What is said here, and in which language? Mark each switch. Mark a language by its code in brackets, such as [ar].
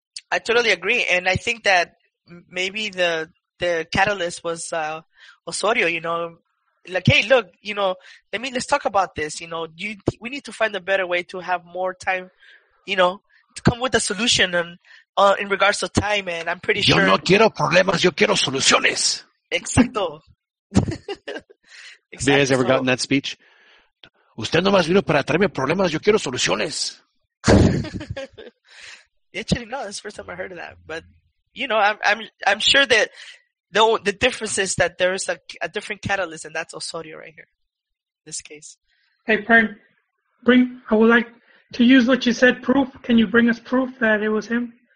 [en] I totally agree, and I think that maybe the catalyst was Osorio. You know, like, hey, look, you know, let's talk about this. You know, we need to find a better way to have more time. You know, to come with a solution and. In regards to time, and I'm pretty sure. [es] Yo no quiero problemas, yo quiero soluciones. Exacto. Exacto. [en] Have you guys ever gotten that speech? [es] Usted no más vino para traerme problemas, yo quiero soluciones. [en] Actually, no, that's the first time I heard of that. But, you know, I'm sure that the difference is that there is a different catalyst, and that's Osorio right here, in this case. Hey, Pern, I would like to use what you said, proof. Can you bring us proof that it was him?